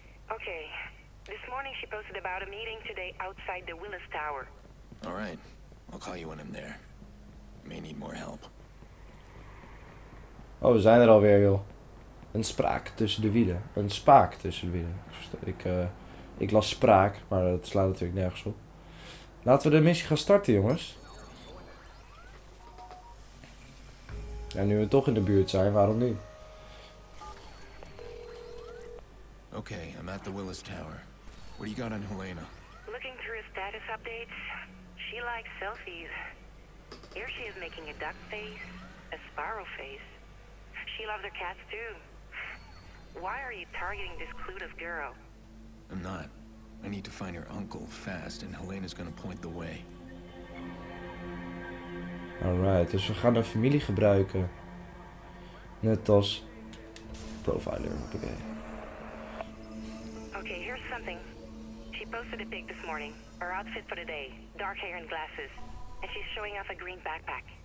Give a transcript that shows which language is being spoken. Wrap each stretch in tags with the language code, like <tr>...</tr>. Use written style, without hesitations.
<en>Okay, this morning she posted about a meeting today outside the Willis Tower. All right, I'll call you when I'm there. May need more help.</en> <nl>Oh, we zijn er alweer, joh. Een spraak tussen de wielen. Een spaak tussen de wielen. Ik las spraak, maar dat slaat natuurlijk nergens op. Laten we de missie gaan starten, jongens. Ja, nu we toch in de buurt zijn, waarom nu?</nl> <en>Oké, I'm at the Willis Tower. What do you got on Helena? Looking through status updates. She likes selfies. Here she is making a duck face, a sparrow face. She loves her cats too. Why are you targeting this clueless girl? I'm not. I need to find her uncle fast and Helena's gonna point the way.</en> <nl>Alright, dus we gaan haar familie gebruiken. Net als profiler. Okay.</nl> <en>Okay, here's something. She posted a pic this morning. Her outfit for the day. Dark hair and glasses. And she's showing off a green backpack.</en>